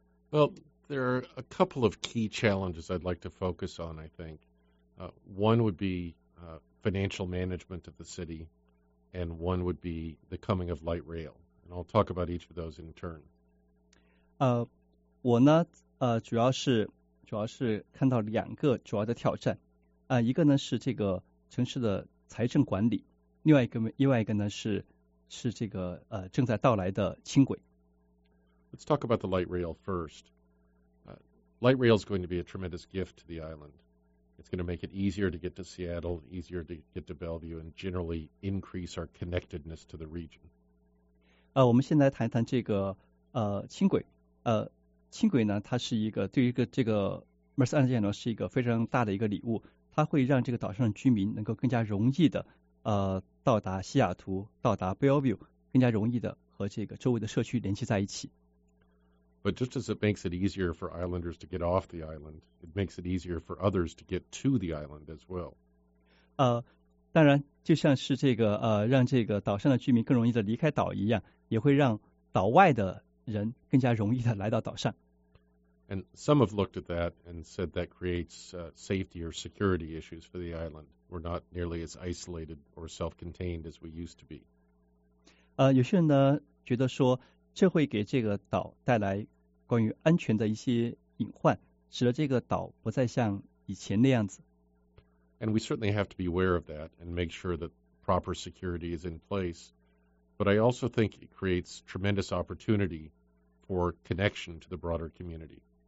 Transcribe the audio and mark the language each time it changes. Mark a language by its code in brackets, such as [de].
[en] Well, there are a couple of key challenges I'd like to focus on, I think. One would be financial management of the city, and one would be the coming of light rail. And I'll talk about each of those in turn. [zh] 我呢，主要是看到两个主要的挑战。一个呢是这个城市的财政管理，另外一个呢是这个正在到来的轻轨。 [en] Let's talk about the light rail first. Light rail is going to be a tremendous gift to the island. It's going to make it easier to get to Seattle, easier to get to Bellevue, and generally increase our connectedness to the region. [zh] 我们先来谈一谈这个轻轨。轻轨呢，它是一个对于一个这个 Mercer Island 呢是一个非常大的一个礼物。它会让这个岛上的居民能够更加容易的到达西雅图，到达 Bellevue， 更加容易的和这个周围的社区联系在一起。 [en] But just as it makes it easier for islanders to get off the island, it makes it easier for others to get to the island as well. [zh] 当然就像是这个让这个岛上的居民更容易的离开岛一样，也会让岛外的人更加容易的来到岛上。 [en] And some have looked at that and said that creates safety or security issues for the island. We're not nearly as isolated or self-contained as we used to be. [zh] 有些人呢觉得说这会给这个岛带来关于安全的一些隐患，使得这个岛不再像以前那样子。 [en] And we certainly have to be aware of that and make sure that proper security is in place. But I also think it creates tremendous opportunity for connection to the broader community.